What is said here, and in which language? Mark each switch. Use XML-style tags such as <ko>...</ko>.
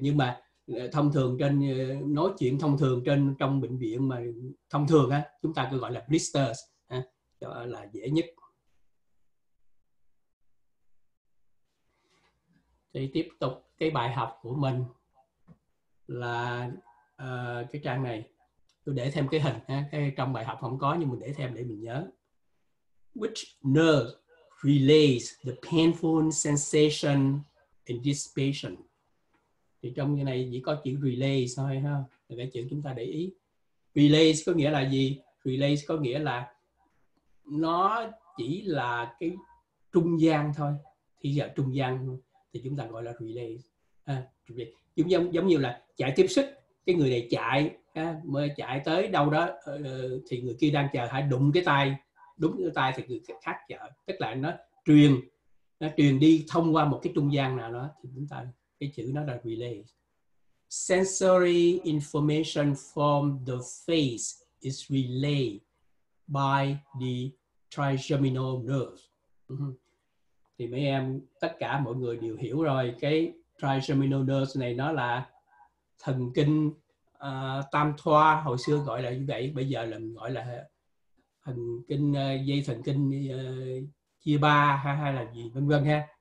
<vi>Nhưng mà thông thường trên nói chuyện thông thường trên trong bệnh viện mà thông thường á chúng ta cứ gọi là blisters ha, đó là dễ nhất. Thì tiếp tục cái bài học của mình là cái trang này tôi để thêm cái hình ha, cái trong bài học không có nhưng mình để thêm để mình nhớ.</vi> <en>Which nerve relays the painful sensation in this patient?</en> <vi>Thì trong cái này chỉ có chữ relays thôi ha, là cái chữ chúng ta để ý. Relays có nghĩa là gì? Relays có nghĩa là nó chỉ là cái trung gian thôi. Thì giờ trung gian thì chúng ta gọi là relays. Giống như là chạy tiếp sức, cái người này chạy, mới chạy tới đâu đó thì người kia đang chờ, hãy đụng cái tay, đúng cái tay thì người khác chờ. Tức là nó truyền đi thông qua một cái trung gian nào đó thì chúng ta, cái chữ nó là relay.</vi> <en>Sensory information from the face is relayed by the trigeminal nerve.</en> <vi>Thì mấy em, tất cả mọi người đều hiểu rồi, cái trigeminal nerve này nó là thần kinh tam thoa, hồi xưa gọi là như vậy, bây giờ là gọi là thần kinh dây thần kinh chia ba hay là gì vân vân ha.</vi>